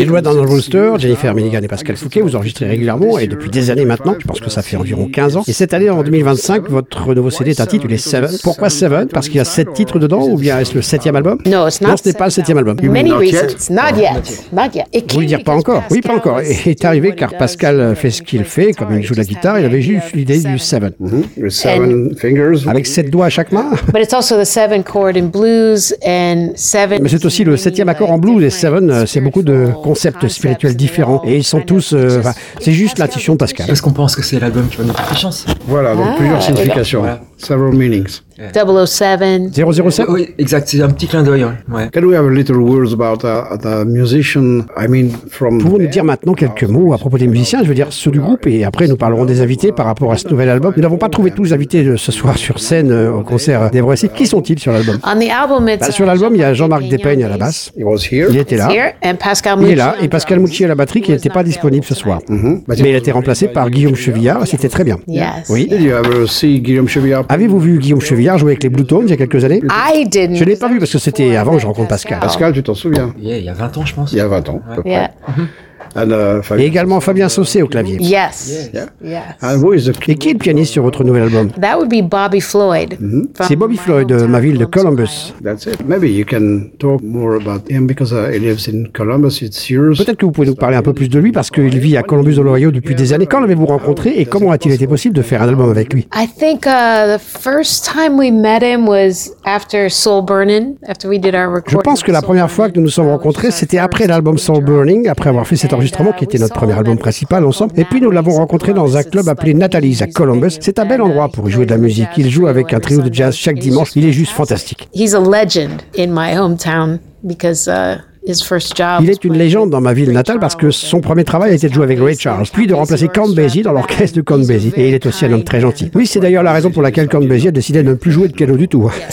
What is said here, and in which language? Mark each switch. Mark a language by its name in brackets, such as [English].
[French] Little Red on the Rooster, Jennifer Milligan et Pascal Fouquet, vous enregistrez régulièrement et depuis des années maintenant, je pense que ça fait environ 15 ans. Et cette année, en 2025, votre nouveau CD est intitulé Seven. Pourquoi Seven? Parce qu'il y a 7 titres dedans, ou bien est-ce le 7e album? Non, ce n'est pas le 7e album. [English] Many reasons. Not yet. [French] Vous voulez dire pas encore? Oui, pas encore. Est arrivé car Pascal fait ce qu'il fait, comme il joue la guitare, il avait juste l'idée du Seven. [English] With seven fingers. [French] Avec 7 doigts à chaque main. [English] But it's also the seven chord in blues. And seven, [French] mais c'est aussi le 7e accord en blues, et 7, c'est beaucoup de concepts spirituels différents, et ils sont tous. C'est juste l'intuition de Pascal. Est-ce qu'on pense que c'est l'album qui va nous faire chance? Voilà, donc plusieurs significations. Voilà. [English] several meanings. Yeah. 007. 007? [French] Oui, exact. C'est un petit clin d'œil. Ouais. [English] Can we have a little words about the musician? I mean, from. [French] Pouvons-nous nous dire maintenant quelques mots à propos des musiciens, je veux dire ceux du groupe, et après nous parlerons des invités par rapport à ce nouvel album. Nous n'avons pas trouvé tous les invités ce soir sur scène au concert des Voici. Qui sont-ils sur l'album? [English] On the album, it's [French] sur l'album, il y a Jean-Marc Despeignes à la basse. [English] He was here. [French] Il était là. Il est là. Et Pascal Mucci à la batterie qui n'était pas disponible ce soir. Mm-hmm. Mais il a été remplacé par Guillaume Chevillard. C'était très bien. [English] Yes. [French] Oui. [English] Did you ever see Guillaume Chevillard? [French] Avez-vous vu Guillaume Chevillard jouer avec les Blue Tones il y a quelques années? [English] I didn't. [French] Je ne l'ai pas vu parce que c'était avant que je rencontre Pascal. Pascal, tu t'en souviens? Yeah, il y a 20 ans, je pense. Il y a 20 ans, ouais. À peu près. Et également Fabien Saucé au clavier. [English] Yes. Yeah. Yes. [French] Et qui est le pianiste sur votre nouvel album? [English] That would be Bobby Floyd. [French] Mm-hmm. C'est Bobby Floyd, ma ville de Columbus. [English] That's it. Maybe you can talk more about him because he lives in Columbus. It's yours. [French] Peut-être que vous pouvez nous parler un peu plus de lui parce qu'il vit à Columbus, Ohio, depuis des années. Quand l'avez-vous rencontré et comment a-t-il été possible de faire un album avec lui? [English] I think the first time we met him was after Soul Burning, after we did our recording. [French] Je pense que la première fois que nous nous sommes rencontrés, c'était après l'album Soul Burning, après avoir fait cet enregistrement qui était notre premier album principal ensemble. Et puis nous l'avons rencontré dans un club appelé Natalie's à Columbus. C'est un bel endroit pour jouer de la musique. Il joue avec un trio de jazz chaque dimanche. Il est juste fantastique. [English] He's a legend in my hometown because his first job. [French] Il est une légende dans ma ville natale parce que son premier travail a été de jouer avec Ray Charles, puis de remplacer Count Basie dans l'orchestre de Count Basie. Et il est aussi un homme très gentil. Oui, c'est d'ailleurs la raison pour laquelle Count Basie a décidé de ne plus jouer de piano du tout.